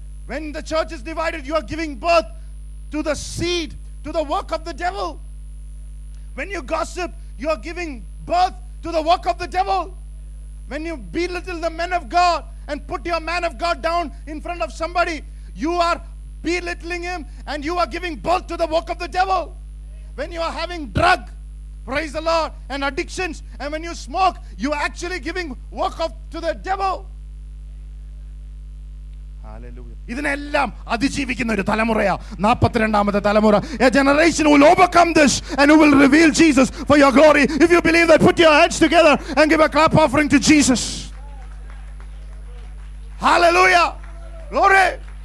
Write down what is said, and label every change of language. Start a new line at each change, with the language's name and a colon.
English: When the church is divided, you are giving birth to the seed, to the work of the devil. When you gossip, you are giving birth to the work of the devil. When you belittle the men of God and put your man of God down in front of somebody, you are belittling him and you are giving birth to the work of the devil. When you are having drug, praise the Lord, and addictions, and when you smoke, you are actually giving work of to the devil. Hallelujah.
Malayalam: ഇതിനെല്ലാം അതിജീവിക്കുന്ന ഒരു തലമുറയാ 42-ാമത്തെ തലമുറ.
English: A generation will overcome this and who will reveal Jesus for your glory. If you believe that, put your hands together and give a clap offering to Jesus. Hallelujah. Glory.